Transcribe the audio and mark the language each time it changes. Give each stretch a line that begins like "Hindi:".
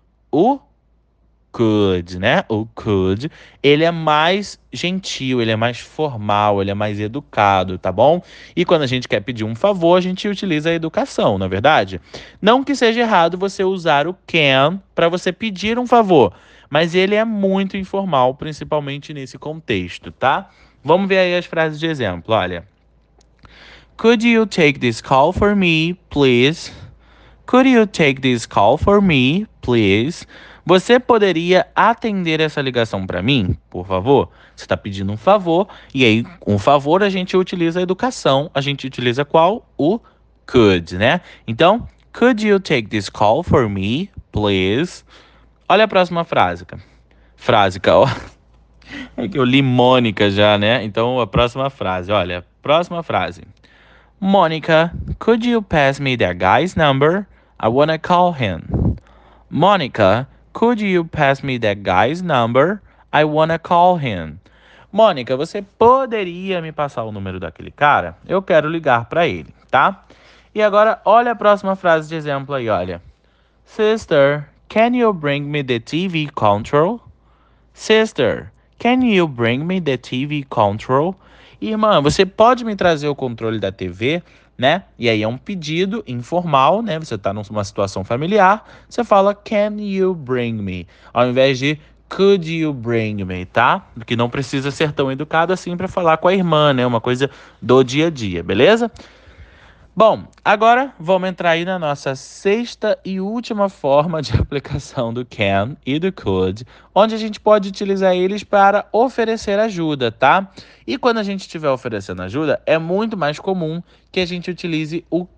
Portuguese: O could, né? O could, ele é mais gentil, ele é mais formal, ele é mais educado, tá bom? E quando a gente quer pedir um favor, a gente utiliza a educação, não é verdade? Não que seja errado você usar o can para você pedir um favor, mas ele é muito informal, principalmente nesse contexto, tá? Vamos ver aí as frases de exemplo, olha.
English: Could you take this call for me, please? Could you take this call for me, please?
Portuguese: Você poderia atender essa ligação para mim, por favor? Você está pedindo um favor, e aí, com um favor, a gente utiliza a educação. A gente utiliza qual? O could, né? Então,
English: could you take this call for me, please?
Portuguese: Olha a próxima frase. Frásica, ó. É que eu li Mônica já, né? Então, a próxima frase, olha. Próxima frase.
English: Mônica, could you pass me that guy's number? I wanna call him. Mônica, could you pass me that guy's number? I wanna call him.
Portuguese: Mônica, você poderia me passar o número daquele cara? Eu quero ligar para ele, tá? E agora, olha a próxima frase de exemplo aí, olha.
English: Sister, can you bring me the TV control? Sister, can you bring me the TV control?
Portuguese: Irmã, você pode me trazer o controle da TV? Né? E aí é um pedido informal, né? Você está numa situação familiar, você fala
English: can you bring me?
Portuguese: Ao invés de
English: could you bring me,
Portuguese: tá? Que não precisa ser tão educado assim para falar com a irmã, né? Uma coisa do dia a dia, beleza? Bom, agora vamos entrar aí na nossa sexta e última forma de aplicação do can e do could, onde a gente pode utilizar eles para oferecer ajuda, tá? E quando a gente estiver oferecendo ajuda, é muito mais comum que a gente utilize o